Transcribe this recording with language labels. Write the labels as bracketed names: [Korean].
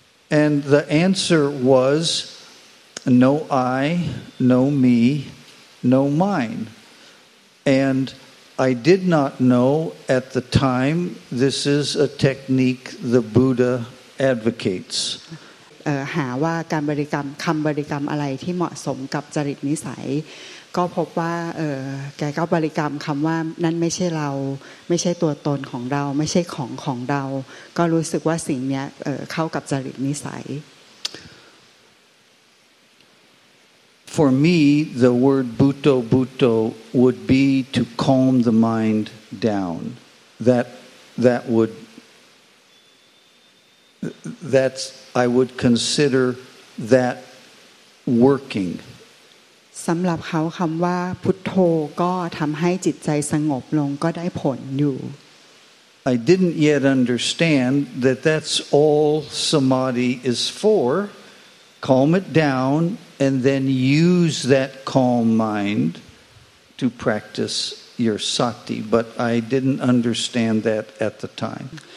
[English] And the answer was, no I, no me, no mine. And I did not know at the time this is a technique the Buddha advocates. [Thai] หาว่าการบริกรรมคำบริกรรมอะไรที่เหมาะสมกับจริตนิสัยก็พบว่าแกก็บริกรรมคำว่านั่นไม่ใช่เราไม่ใช่ตัวตนของเราไม่ใช่ของของเราก็รู้สึกว่าสิ่งนี้เข้ากับจริตนิสัย [English] For me the word Bhutto Bhutto would be to calm the mind down that's I would consider that working [Thai] สำหรับเขาคำว่าพุทโธก็ทำให้จิตใจสงบลงก็ได้ผลอยู่ [English] I didn't yet understand that that's all samadhi is for calm it down and then use that calm mind to practice your sati but I didn't understand that at the time